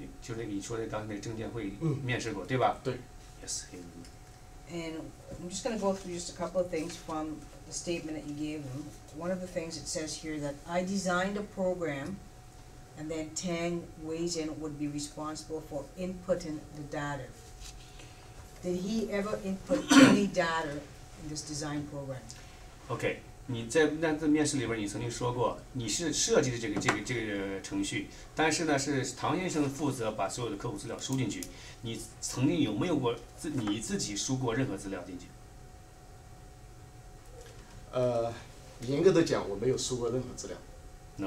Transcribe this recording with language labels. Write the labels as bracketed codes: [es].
[zh] 4月13号，09年的时候，你被那个，就那个你说的当时那个证监会面试过，对吧？对。 [en] Yes, he did. And I'm just going to go through just a couple of things from the statement that you gave him. One of the things it says here that I designed a program and then Tang, Weizhen would be responsible for inputting the data. Did he ever input any data in this design program? Okay. [zh] 你在那次面试里边，你曾经说过，你是设计的这个程序，但是呢，是唐先生负责把所有的客户资料输进去。你曾经有没有过你自己输过任何资料进去？严格的讲，我没有输过任何资料。 [en] No,